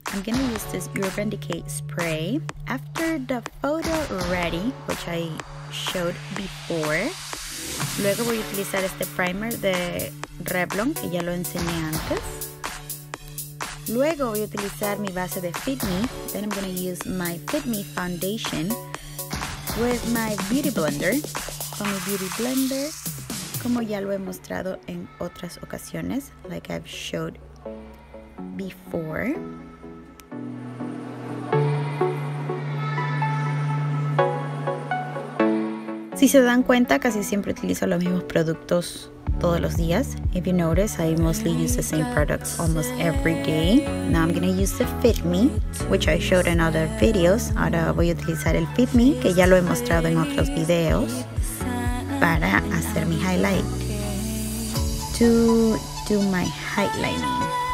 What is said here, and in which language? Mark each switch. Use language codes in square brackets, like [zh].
[en] I'm going to use this Urban Decay spray after the photo ready, which I showed before. [es] Luego voy a utilizar este primer de Revlon, que ya lo enseñé antes. Luego voy a utilizar mi base de Fit Me. [en] Then I'm going to use my Fit Me foundation with my Beauty Blender. [es] Con mi Beauty Blender, como ya lo he mostrado en otras ocasiones, [en] like I've showed before. [es] Si se dan cuenta, casi siempre utilizo los mismos productos todos los días. [en] If you notice, I mostly use the same products almost every day. Now I'm gonna use the Fit Me, which I showed in other videos. [es] Ahora voy a utilizar el Fit Me, que ya lo he mostrado en otros videos, para hacer mi highlight. [en] To do my highlighting.